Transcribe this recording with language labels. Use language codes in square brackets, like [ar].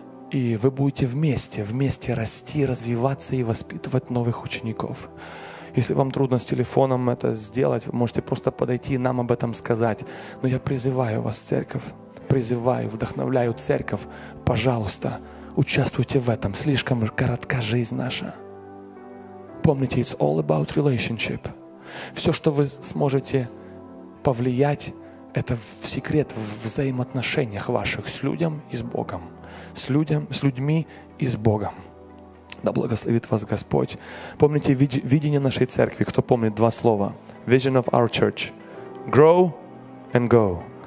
[ru] И вы будете вместе расти, развиваться и воспитывать новых учеников. Если вам трудно с телефоном это сделать, вы можете просто подойти и нам об этом сказать. Но я призываю вас, церковь, призываю, вдохновляю церковь, пожалуйста, участвуйте в этом. Слишком коротка жизнь наша. Помните, [en] it's all about relationship. [ru] Все, что вы сможете повлиять, это в секрет в взаимоотношениях ваших с людям и с Богом. С людьми и с Богом. Да благословит вас Господь. Помните видение нашей церкви. Кто помнит два слова? [en] Vision of our church. Grow and go.